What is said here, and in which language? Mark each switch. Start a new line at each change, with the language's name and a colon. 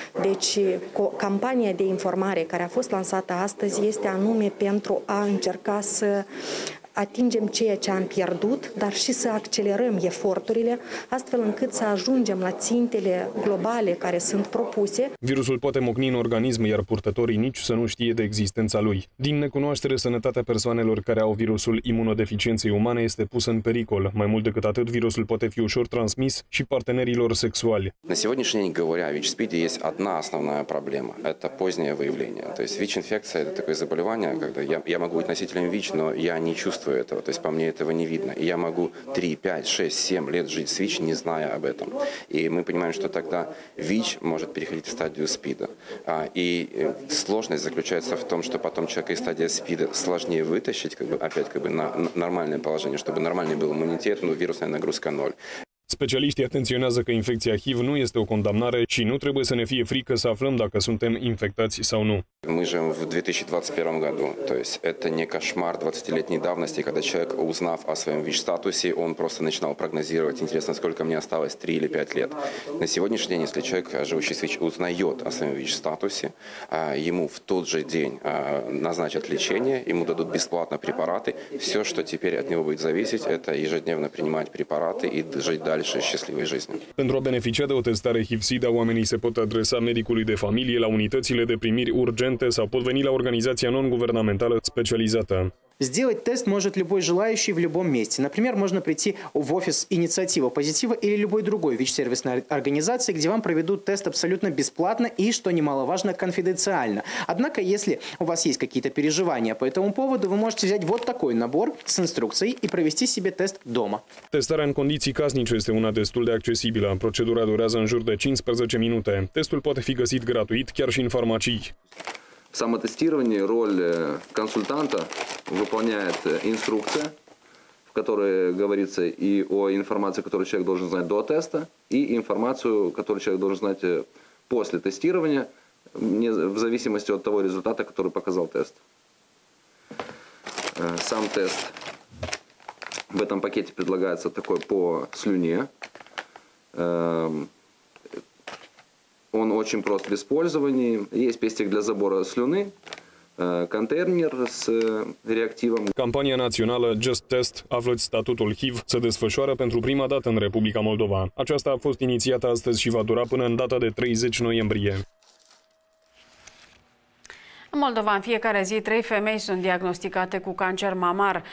Romanian: Deci, campania de informare care a fost lansată astăzi este anume pentru a încerca să atingem ceea ce am pierdut, dar și să accelerăm eforturile, astfel încât să ajungem la țintele globale care sunt propuse. Virusul poate mocni în organism, iar purtătorii nici să nu știe de existența lui. Din necunoaștere, sănătatea persoanelor care au virusul imunodeficienței umane este pusă în pericol. Mai mult decât atât, virusul poate fi ușor transmis și partenerilor sexuali.
Russian: На сегодняшний день, говоря о ВИЧ-СПИДе, есть одна основная проблема – это позднее выявление. То есть ВИЧ-инфекция – это такое заболевание, когда я могу быть носителем ВИЧ, но я не чувствую этого, то есть по мне этого не видно. И я могу 3, 5, 6, 7 лет жить с ВИЧ, не зная об этом. И мы понимаем, что тогда ВИЧ может переходить в стадию СПИДа. И сложность заключается в том, что потом человека из стадии СПИДа сложнее вытащить, как бы, опять как бы на нормальное положение, чтобы нормальный был иммунитет, но вирусная нагрузка ноль.
Romanian: Specialiștii atenționează că infecția HIV nu este o condamnare și nu trebuie să ne fie frică să aflăm dacă suntem infectați sau nu.
Russian: Мы живем в 2021 году, то есть это не кошмар 20-летней давности, когда человек, узнав о своем ВИЧ-статусе, он просто начинал прогнозировать, интересно, сколько мне осталось, 3 или 5 лет. На сегодняшний день, если человек, живущий с ВИЧ, узнает о своем ВИЧ-статусе, ему в тот же день назначат лечение, ему дадут бесплатно препараты. Все, что теперь от него будет зависеть, это ежедневно принимать препараты и жить дальше счастливой жизнью.
Romanian: Pentru a beneficia de o testare HIV-SIDA, oamenii se pot adresa medicului de familie, la unitățile de primiri urgente sau pot veni la organizația non-guvernamentală specializată.
Russian: Сделать тест может любой желающий в любом месте. Например, можно прийти в офис «Инициатива Позитива» или любой другой ВИЧ-сервисной организации, где вам проведут тест абсолютно бесплатно и, что немаловажно, конфиденциально. Однако, если у вас есть какие-то переживания по этому поводу, вы можете взять вот такой набор с инструкцией и провести себе тест дома.
Romanian: Тестарea în condiții casnice este una destul de accesibilă. Procedura durează în jur de 15 minute. Testul poate fi găsit gratuit chiar și în farmacii.
Russian: В самотестировании роль консультанта выполняет инструкция, в которой говорится и о информации, которую человек должен знать до теста, и информацию, которую человек должен знать после тестирования, в зависимости от того результата, который показал тест. Сам тест в этом пакете предлагается такой по слюне. Он очень прост в использовании. Есть пестик для забора слюны, контейнер с реактивом.
Romanian: Кампания национала Just Test, aflați statutul HIV, se desfășoară pentru prima dată în Republica Moldova. Aceasta a fost inițiată astăzi și va dura până în data de 30 noiembrie. În Moldova, în fiecare zi, 3 femei sunt diagnosticate cu cancer mamar.